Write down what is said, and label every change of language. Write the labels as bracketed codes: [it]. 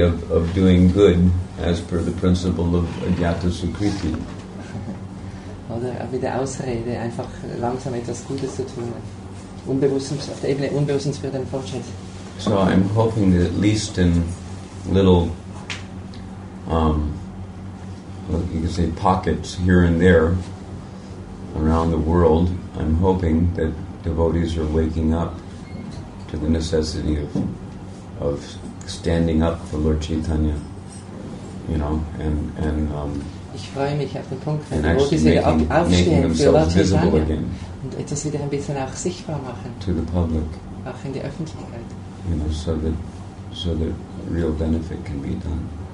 [en] of doing good as per the principle of Ajata Sukriti. [de] Oder mit der Ausrede, einfach langsam etwas Gutes zu tun. Auf der Ebene Unbewusstens für den Fortschritt. [en] So I'm hoping that at least in little you can say pockets here and there around the world, I'm hoping that devotees are waking up to the necessity of standing up for Lord Chaitanya, you know, and [de] ich freue mich auf den Punkt, wenn Devotees wieder aufstehen für Lord Chaitanya und etwas wieder ein bisschen auch sichtbar machen [en] to the public, [de] auch in der Öffentlichkeit, [en] you know, so that real benefit can be done.